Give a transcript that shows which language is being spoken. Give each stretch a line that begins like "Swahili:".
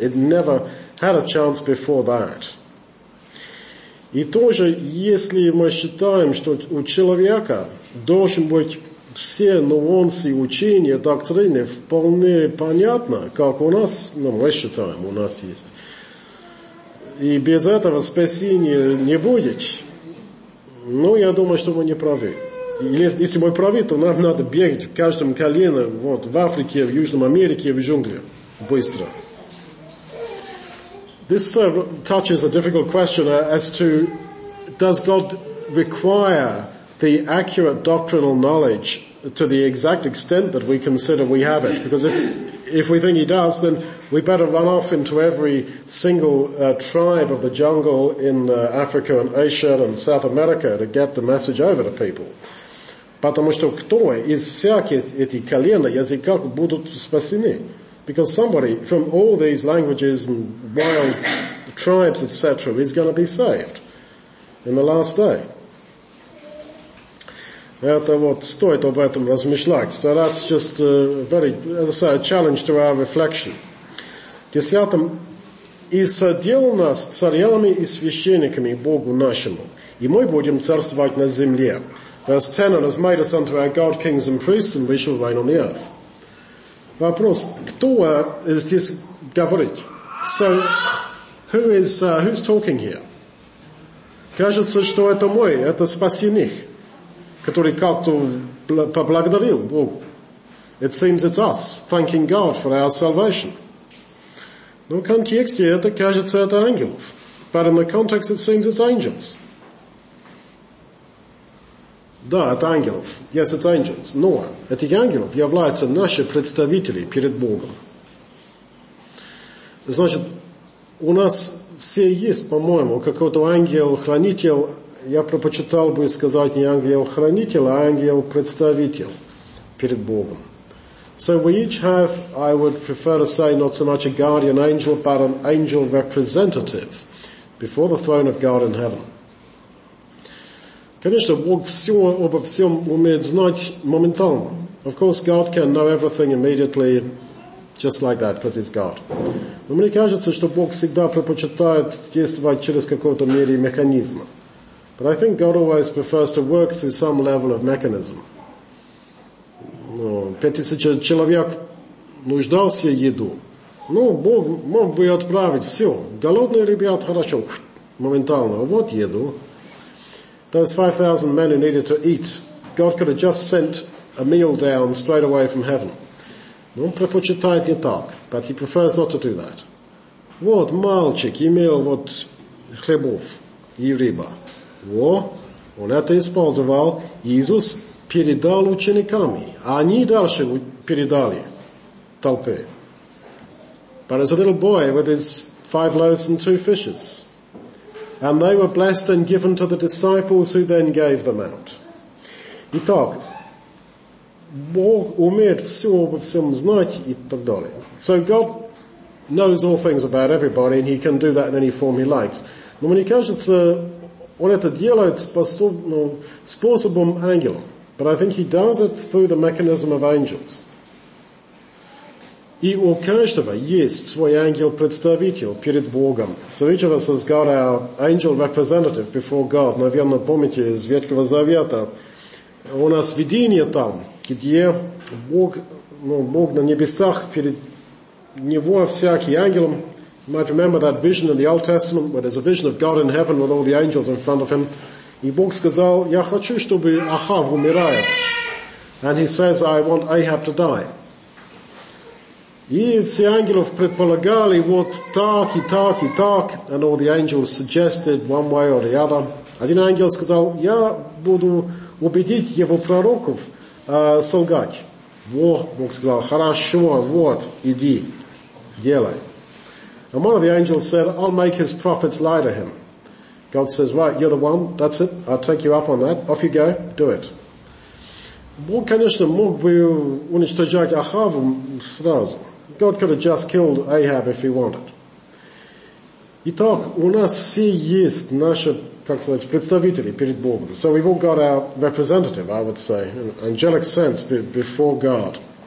English: It never had a chance before that.
Russian: И тоже, если мы считаем, что у человека должен быть все нюансы учения, доктрины вполне понятно, как у нас, ну, мы считаем, у нас есть. И без этого спасения не будет. Ну, я думаю, что мы не правы. Если мы правы, то нам надо бегать в каждом колене, вот, в Африке, в Южной Америке, в джунгле, быстро.
English: This touches a difficult question as to, does God require the accurate doctrinal knowledge to the exact extent that we consider we have it? Because if we think he does, then we better run off into every single tribe of the jungle in Africa and Asia and South America to get the message over to people.
Russian: Потому что кто из всяких этих колен языков будут спасены?
English: Because somebody from all these languages and wild tribes, etc., is going to be saved in the last day.
Russian: Это вот стоит об этом размышлять.
English: So that's just a very, as I say, a challenge to our reflection.
Russian: Десятым, и садил нас царями и священниками Богу нашему, и мы будем царствовать на земле.
English: Verse 10, and has made us unto our God kings and priests, and we shall reign on the earth.
Russian: Вопрос, кто здесь говорит?
English: So, who's talking here?
Russian: Кажется, что это мой, это спасенных, который как-то поблагодарил Богу.
English: It seems it's us, thanking God for our salvation.
Russian: Но в контексте это кажется это ангелов.
English: But in the context it seems it's angels.
Russian: Да, это ангелов.
English: Yes, it's angels.
Russian: Но эти ангелов являются наши представители перед Богом. Значит, у нас все есть, по-моему, какой-то ангел-хранитель. Я предпочитал бы сказать не ангел-хранитель, а ангел-представитель перед Богом.
English: So we each have, I would prefer to say, not so much a guardian angel, but an angel representative before the throne of God in heaven.
Russian: Конечно, Бог все обо всем умеет знать моментально.
English: Of course, God can know everything immediately, just like that, because he's God.
Russian: Но мне кажется, что Бог всегда предпочитает действовать через какой-то мере механизма.
English: But I think God always prefers to work through some level of mechanism.
Russian: Ну, 5000 человек нуждался в еду. Ну, Бог мог бы отправить все. Голодные ребята, хорошо, моментально. Вот еду.
English: Those 5,000 men who needed to eat, God could have just sent a meal down straight away from heaven.
Russian: Но он предпочитает не так,
English: but he prefers not to do that.
Russian: Вот, мальчик имел вот хлебов и рыба. Во, он это использовал, Иисус передал учениками, а они дальше передали толпе.
English: But as a little boy with his 5 loaves and 2 fishes, and they were blessed and given to the disciples who then gave them out.
Russian: Итак, Бог умеет все обо всем знать и так далее.
English: So God knows all things about everybody and he can do that in any form he likes.
Russian: Но мне кажется, он это делает способом ангелом.
English: But I think he does it through the mechanism of angels.
Russian: И у каждого есть свой ангел-представитель перед Богом.
English: So each of us has got our angel representative before God.
Russian: Наверное, помните из Ветхого Завета, у нас видение там, где Бог, ну, Бог на небесах, перед Него всякий ангел.
English: You might remember that vision in the Old Testament, where there's a vision of God in heaven with all the angels in front of him.
Russian: И Бог сказал, я хочу, чтобы Ахав умирает.
English: And he says, I want Ahab to die.
Russian: И все ангелов предполагали вот так и так и так,
English: and all the angels suggested one way or the other.
Russian: Один ангел сказал, я буду убедить его пророков солгать. Во, Бог сказал, хорошо, вот, иди, делай.
English: And one of the angels said, I'll make his prophets lie to him. God says, right, you're the one, that's it, I'll take you up on that, off you go, do it.
Russian: Бог, конечно, мог бы уничтожать Ахаву сразу.
English: God could have just killed Ahab if he wanted.
Russian: Итак, у нас все есть наши, как сказать, представители перед Богом.
English: So we've all got our representative, I would say, in angelic sense, before God.